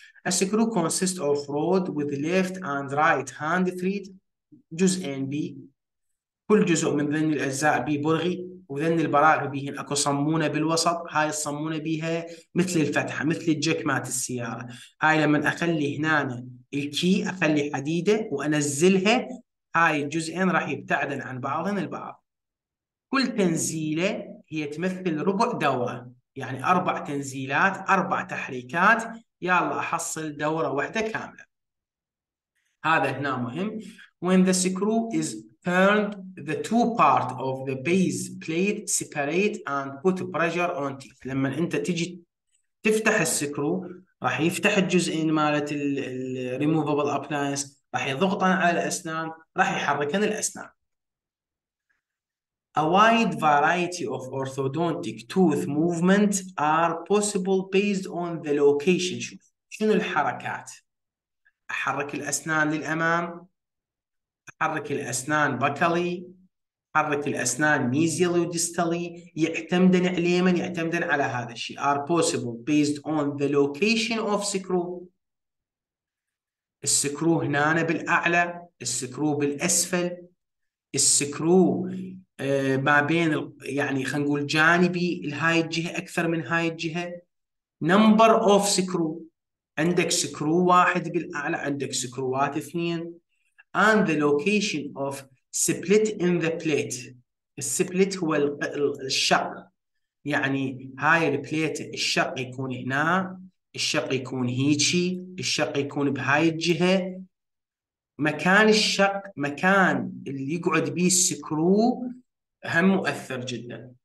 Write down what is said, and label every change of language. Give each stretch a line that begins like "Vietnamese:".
English: A screw consists of rod with left and right hand thread.
Arabic: جزئين بي، كل جزء من ذن الأجزاء بي برغي، وذن البراغي بيهن أكو صمونة بالوسط، هاي الصمونة بيها مثل الفتحة مثل الجك مات السيارة. هاي لما أخلي هنا الكي أخلي حديدة وأنزلها، هاي الجزئين راح يبتعدن عن بعضهن البعض. كل تنزيلة هي تمثل ربع دورة، يعني أربع تنزيلات أربع تحريكات يلا أحصل دورة واحدة كاملة. هذا هنا مهم.
English: When the screw is turned, the two parts of the base plate separate and put pressure on teeth.
Arabic: لما أنت تجي تفتح السكرو راح يفتح الجزئين مالت الريموفابل أبلاينس، راح يضغطن على الأسنان، راح يحركن الأسنان.
English: A wide variety of orthodontic tooth movement are possible based on the location.
Arabic: شوف شنو الحركات أحرك الأسنان للأمام، أحرك الأسنان بكالي، أحرك الأسنان ميزيالي وديستالي، يعتمدن عليمن يعتمدن على هذا الشيء.
English: Are possible based on the location of screw.
Arabic: السكرو هنا بالأعلى، السكرو بالأسفل، السكرو ما بين يعني خلينا نقول جانبي لهاي الجهة أكثر من هاي الجهة.
English: number of screw،
Arabic: عندك سكرو واحد بالأعلى، عندك سكروات اثنين.
English: and the location of split in the plate.
Arabic: السبلت هو الشق، يعني هاي البليت الشق يكون هنا، الشق يكون هيجي، الشق يكون بهاي الجهة. مكان الشق، مكان اللي يقعد بيه السكرو هم مؤثر جدا.